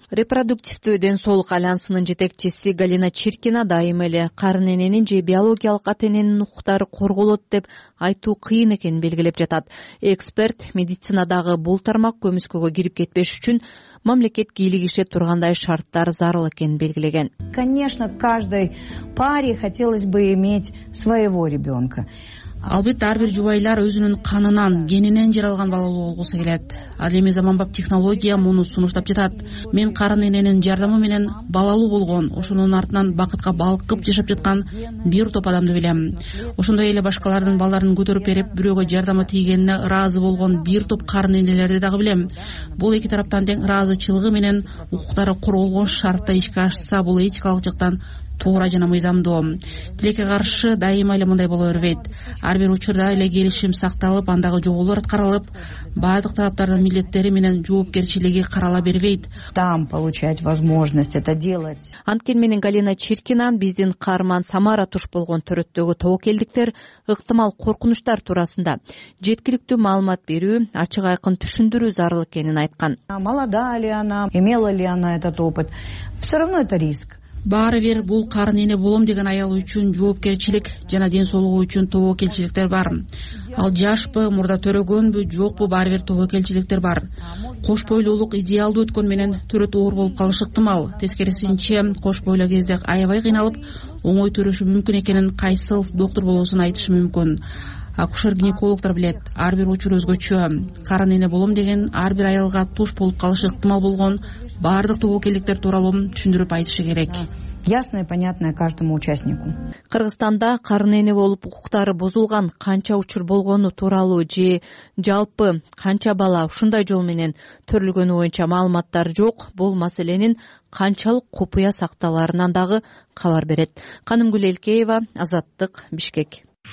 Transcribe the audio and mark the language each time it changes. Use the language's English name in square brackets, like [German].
[Kyrgyz] Репродуктивдүү ден соолук альянсынын жетекчиси Галина Чиркина дайым эле карын эненин же биологиялык ата эненин укуктары корголот деп айтуу кыйын экенин белгилеп жатат. Эксперт медицинадагы бул тармак көмүскөгө кирип кетпеш үчүн мамлекет кийлигише тургандай шарттар зарыл экенин белгилеген. [Russian] Конечно, каждой паре хотелось бы иметь своего ребенка. [Kyrgyz] Албетте ар бир жубайлар өзүнүн канынан, генинен жаралган балалуу болгусу келет. Ал эми заманбап технология муну сунуштап жатат. Мен карын эненин жардамы менен балалуу болгон, ошонун артынан бакытка балкып жашап жаткан бир топ адамды билем. Ошондой эле башкалардын балдарын көтөрүп берип, бирөөгө жардамы тийгенине ыраазы болгон бир топ карын энелерди дагы билем. Бул эки тараптан тең ыраазычылыгы менен укуктары корголгон шартта ишке ашса, бул этикалык жактан туура жана мыйзамдуу. Тилекке каршы дайыма эле мындай боло бербейт. Ар бир учурда эле келишим сакталып, андагы жоболор аткарылып, баардык тараптардын милдеттери менен жоопкерчилиги карала бербейт. [Russian] Там получать возможность это делать. [Kyrgyz] Анткени менен Галина Чиркина биздин каарман Самара туш болгон төрөттөгү тобокелдиктер ыктымал коркунучтар туурасында жеткиликтүү маалымат берүү, ачык айкын түшүндүрүү зарыл экенин айткан. [Russian] Молодая ли она, имела ли она этот опыт? Все равно это риск. [Kyrgyz] Баары бир бул карын эне болом деген аял үчүн жоопкерчилик жана ден соолугу үчүн тобокелчиликтер бар. Ал жашпы, мурда төрөгөнбү, жокпу, баары бир тобокелчиликтер бар. Кош бойлуулук идеалдуу өткөн менен төрөт оор болуп калышы ыктымал. Тескерисинче, кош бойло кезде аябай кыйналып, оңой төрөшү мүмкүн экенин кайсыл доктур болосун айтышы мүмкүн. Акушер-гинекологдор билет, ар бир учур өзгөчө. Карын эне болом деген ар бир аялга туш болуп калышы ыктымал болгон баардык тобокелдиктер тууралуу түшүндүрүп айтышы керек. [Russian] Ясно и понятно каждому участнику. [Kyrgyz] Кыргызстанда карын эне болуп укуктары бузулган канча учур болгону тууралуу же жалпы канча бала ушундай жол менен төрөлгөнү боюнча маалыматтар жок. Бул маселенин канчалык купуя сакталарынан дагы кабар берет. Канымгүл Элкеева, Азаттык, Бишкек.